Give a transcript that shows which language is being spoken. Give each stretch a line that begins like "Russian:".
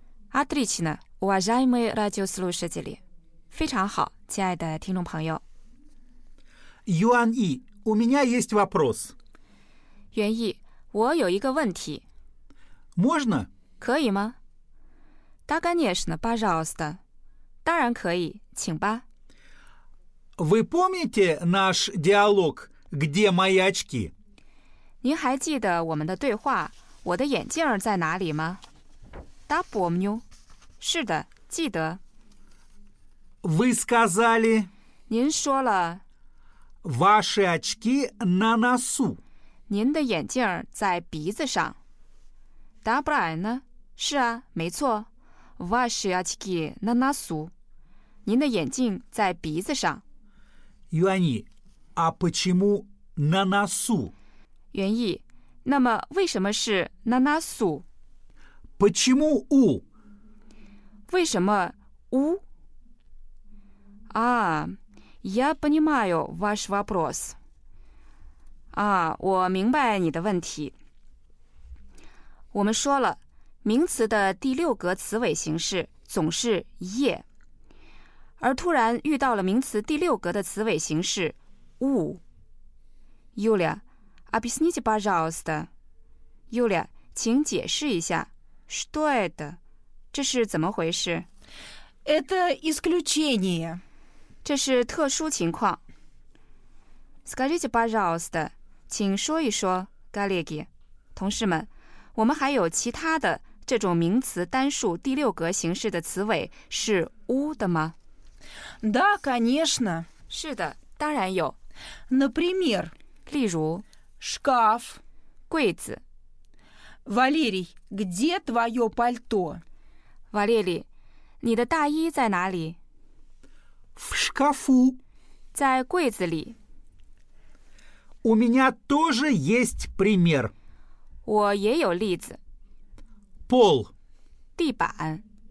Russian: отлично, уважаемые радиослушатели.
Chinese: 非常好，亲爱的听众朋友。
Russian: Юан И. У меня есть вопрос.
Chinese: 袁毅，我有一个问题。
Russian: Можно?
Chinese: 可以吗？
Russian: Да, конечно, пожалуйста.
Chinese: 当然可以，请吧。
Russian: Вы помните наш диалог «Где мои очки?»
Chinese: 您还记得我们的对话«我的眼镜在哪里吗?»
Russian: Да, помню.
Chinese: 是的，记得。
Russian: Вы сказали...
Chinese: 您说了
Russian: Ваши очки на носу.
Chinese: 您的眼镜在鼻子上。
Russian: Да, правильно.
Chinese: 是啊，没错。
Russian: Ваши очки на носу.
Chinese: 您的眼镜在鼻子上。
Russian: Юань, а почему на носу?
Chinese: 袁毅，那么为什么是
Russian: на носу? Почему у?
Chinese: 为什么у? А...
Russian: Я понимаю ваш вопрос.
Chinese: 啊，我明白你的问题。我们说了，名词的第六格词尾形式总是 е， 而突然遇到了名词第六格的词尾形式 у。
Russian: Юля, объясните, пожалуйста. Юля,
Chinese: 请解释一下
Russian: что это?
Chinese: 这是怎么回事？
Russian: Это исключение.
Chinese: 这是特殊情况。
Russian: Скажите, пожалуйста,
Chinese: 请说一说 ,
Russian: коллеги,
Chinese: 同事们，我们还有其他的这种名词单数第六格形式的词尾是 у 的吗
Russian: ?Да, конечно.
Chinese: 是的，当然有。
Russian: Например,
Chinese: 例如
Russian: ,шкаф,
Chinese: 柜子。
Russian: Валерий, где твое пальто?
Chinese: Валерий, 你的大衣在哪里？
Russian: В шкафу.
Chinese: 在柜子里。
Russian: У меня тоже есть пример. Пол.
Chinese: Ди-бан.